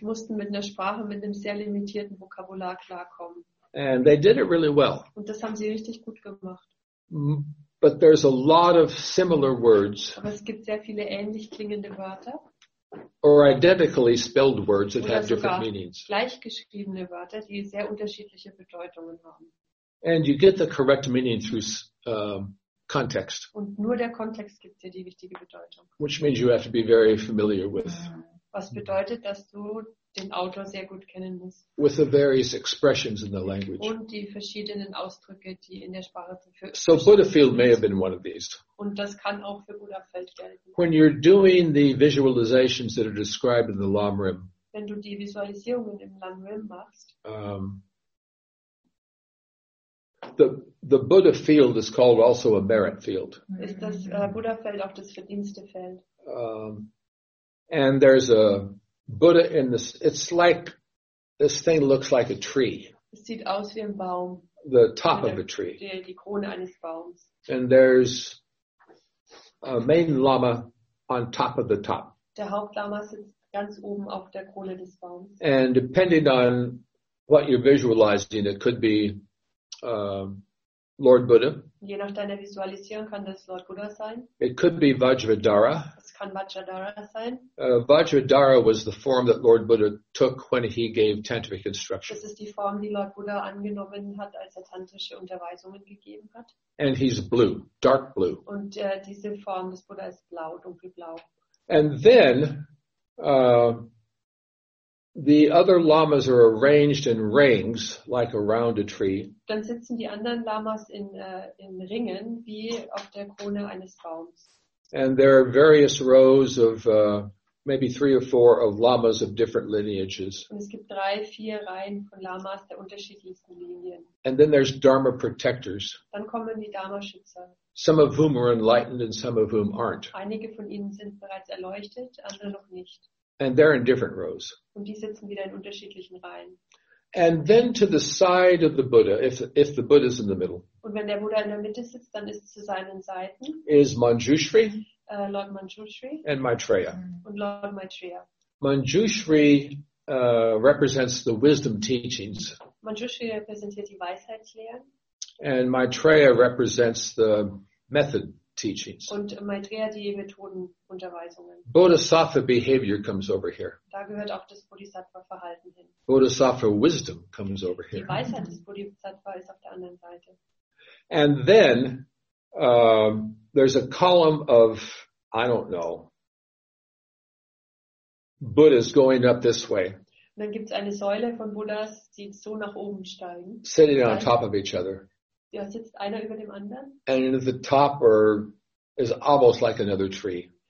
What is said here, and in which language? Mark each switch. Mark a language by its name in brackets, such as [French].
[German] Mussten mit einer Sprache mit einem sehr limitierten Vokabular klarkommen. [English] And they did it really well. [German] Und das haben sie richtig gut gemacht. [English] But there's a lot of similar words. [German] Aber es gibt sehr viele ähnlich klingende Wörter. [English] Or identically spelled words that have different meanings. [German] Gleichgeschriebene Wörter, die sehr unterschiedliche Bedeutungen haben. [English] And you get the correct meaning through context. [German] Und nur der Kontext gibt dir die richtige Bedeutung. [English] Which means you have to be very familiar with. [German] Was bedeutet, dass du den Autor sehr gut kennen musst. [English] With the various expressions in the language. [German] Und die verschiedenen Ausdrücke, die in der Sprache verfügbar sind. [English] So Buddhafield may have been one of these. [German] Und das kann auch für Buddhafeld gelten. [English] When you're doing the visualizations that are described in the Lamrim. [German] Wenn du die Visualisierungen im Lamrim machst. [English] The Buddha field is called also a merit field. [German] Ist das Buddha Feld auch das Verdienstefeld? [English] And there's a Buddha in this. It's like this thing looks like a tree. [German] Es sieht aus wie ein Baum. [English] The top of a tree. [German] Die Krone eines Baums. [English] And there's a main lama on top of the top. [German] Der Hauptlama sitzt ganz oben auf der Krone des Baums. [English] And depending on what you're visualizing, it could be Lord Buddha. [German] Je nach deiner Visualisierung kann das Lord Buddha sein. [English] It could be Vajradhara. [German] Es kann Vajradhara sein. [English] Vajradhara was the form that Lord Buddha took when he gave tantric instruction. [German] Das ist die Form, die Lord Buddha angenommen hat, als er tantrische Unterweisungen gegeben hat. [English] And he's blue, dark blue. [German] Und diese Form des Buddha ist blau, dunkelblau. [English] And then the other lamas are arranged in rings, like around a tree. [German] Dann sitzen die anderen Lamas in Ringen, wie auf der Krone eines Baums. [English] And there are various rows of maybe three or four of lamas of different lineages. [German] Und es gibt drei, vier Reihen von Lamas der unterschiedlichsten Linien. [English] And then there's Dharma protectors. [German] Dann kommen die Dharma-Schützer. [English] Some of whom are enlightened and some of whom aren't. [German] Einige von ihnen sind bereits erleuchtet, andere noch nicht. [English] And they're in different rows. [German] Und die sitzen wieder in unterschiedlichen Reihen. [English] And then to the side of the Buddha, if the Buddha is in the middle. [German] Und wenn der Buddha in der Mitte sitzt, dann ist zu seinen Seiten. [English] Is Manjushri. [German] Lord Manjushri. [English] And Maitreya. [German] Und Lord Maitreya. [English] Manjushri represents the wisdom teachings. [German] Manjushri repräsentiert die Weisheitslehren. [English] And Maitreya represents the method teachings. [German] Und Maitreya die Methodenunterweisungen. [English] Bodhisattva behavior comes over here. [German] Da gehört auch das Bodhisattva-Verhalten hin. [English] Bodhisattva wisdom comes over here. [German] Die Weisheit des Bodhisattva ist auf der anderen Seite. [English] And then there's a column of, I don't know, Buddhas going up this way. [German] Und dann gibt's eine Säule von Buddhas, die so nach oben steigen. [English] Sitting on top of each other. [German] Ja, sitzt einer über dem anderen. [English] And at the top are, is almost like another tree.